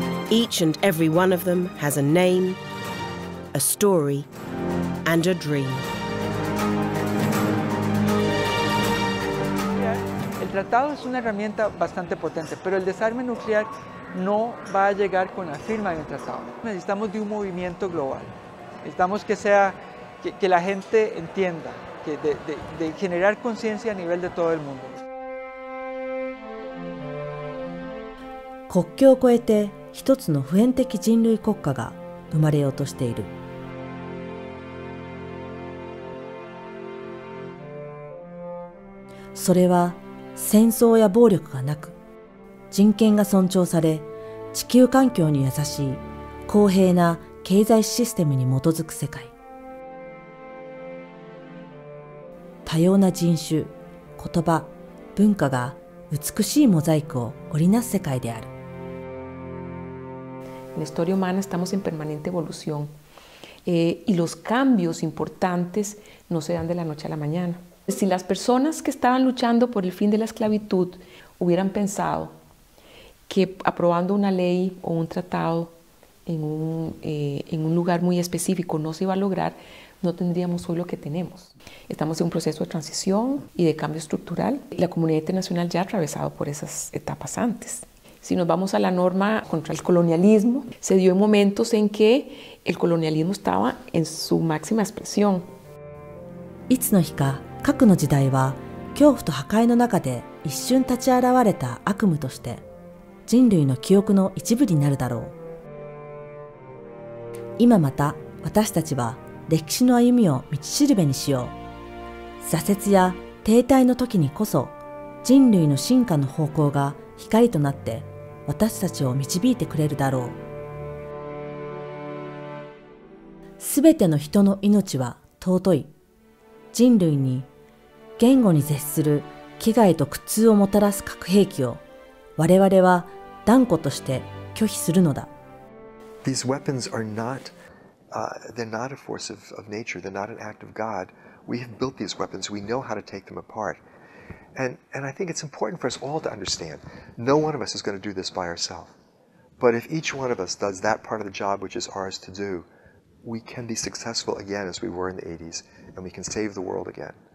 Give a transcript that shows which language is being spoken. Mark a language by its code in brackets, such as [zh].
[en] Each and every one of them has a name, a story, and a dream. [es] El tratado es una herramienta bastante potente, pero el desarme nuclear no va a llegar con la firma de un tratado. Necesitamos de un movimiento global. Necesitamos que sea que la gente entienda. De generar conciencia a nivel de todo el mundo. [ja] 国境を越えて一つの普遍的人類国家が生まれようとしている。それは戦争や暴力がなく、人権が尊重され、地球環境に優しい公平な経済システムに基づく世界。多様な人種、言葉、文化が美しいモザイクを織りなす世界である。 [es] En la historia humana estamos en permanente evolución, y los cambios importantes no se dan de la noche a la mañana. Si las personas que estaban luchando por el fin de la esclavitud hubieran pensado que aprobando una ley o un tratado en un lugar muy específico no se iba a lograr, no tendríamos hoy lo que tenemos. Estamos en un proceso de transición y de cambio estructural. La comunidad internacional ya ha atravesado por esas etapas antes. Si nos vamos a la norma contra el colonialismo, se dio en momentos en que el colonialismo estaba en su máxima expresión. [ja] いつの日か、核の時代は恐怖と破壊の中で一瞬立ち現れた悪夢として、人類の記憶の一部になるだろう。今また私たちは歴史の歩みを道しるべにしよう。挫折や停滞の時にこそ人類の進化の方向が光となって私たちを導いてくれるだろう。すべての人の命は尊い。人類に言語に絶する危害と苦痛をもたらす核兵器を我々は断固として拒否するのだ。 [en] These weapons are notthey're not a force of nature, they're not an act of God. We have built these weapons, we know how to take them apart. And I think it's important for us all to understand, no one of us is going to do this by ourselves. But if each one of us does that part of the job which is ours to do, we can be successful again as we were in the 80s, and we can save the world again.